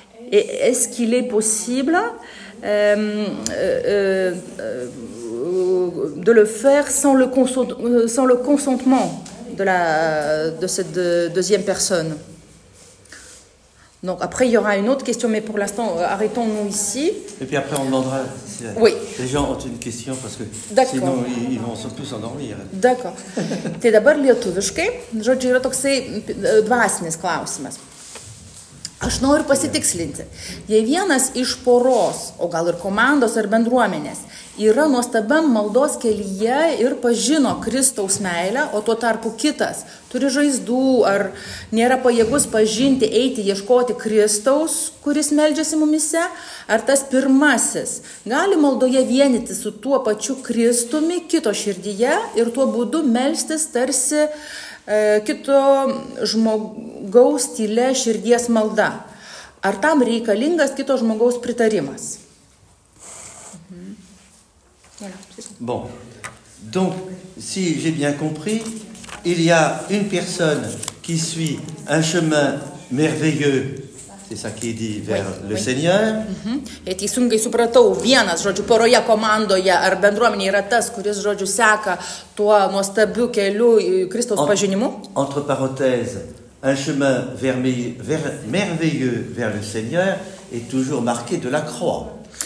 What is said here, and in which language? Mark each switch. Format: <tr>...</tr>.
<fr>Et est-ce qu'il est possible de le faire sans le consentement de cette deuxième personne? Donc après, il y aura une autre question, mais pour l'instant, arrêtons-nous ici. Et puis après, on demandera si les gens ont une question, parce que sinon, ils vont tous s'endormir. D'accord.</fr> <lt>Tai dabar lietuviškai, žodžiu, yra toksai dvasinis klausimas. Aš noriu pasitikslinti. Jei vienas iš poros, o gal ir komandos ar bendruomenės, yra nuostabiam maldos kelyje ir pažino Kristaus meilę, o tuo tarpu kitas turi žaizdų ar nėra pajėgus pažinti, eiti, ieškoti Kristaus, kuris meldžiasi mumise, ar tas pirmasis gali maldoje vienyti su tuo pačiu Kristumi kito širdyje ir tuo būdu melstis tarsi kito žmogaus tylė širdies malda. Ar tam reikalingas kito žmogaus pritarimas?</lt> <fr>Bon. Donc, si j'ai bien compris, il y a une personne qui suit un chemin merveilleux, c'est ça qui est dit, vers le Seigneur.</fr> <lt>Et teisingai supratau, vienas, žodžiu, poroje, komandoje, ar bendruomenėje yra tas, kuris, žodžiu, seka tuo nuostabiu keliu Kristaus pažinimu.</lt> <fr>Entre parenthèses, un chemin merveilleux vers le Seigneur est toujours marqué de la croix.</fr>